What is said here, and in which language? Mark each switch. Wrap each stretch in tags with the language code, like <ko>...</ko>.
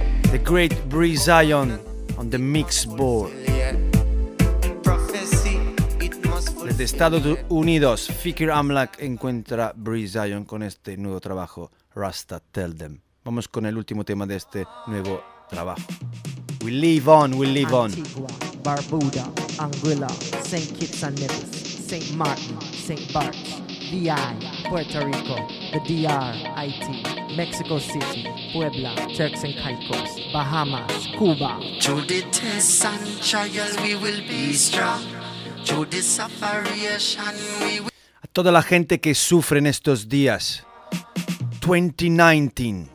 <en>The great Bree Zion on the mix board.</en> <es>Desde Estados Unidos, Fikir Amlak encuentra Bree Zion con este nuevo trabajo, Rasta Tell Them. Vamos con el último tema de este nuevo trabajo.</es> <en>We live on, we live on. Antigua, Barbuda, Anguilla, St. Kitts and Nevis, St. Martin, St. Barts, VI, Puerto Rico, the DR, Haiti, Mexico City, Puebla, Turks and Caicos, Bahamas, Cuba. To the test and trial we will be strong.</en> <es>A toda la gente que sufre en estos días, 2019,</es>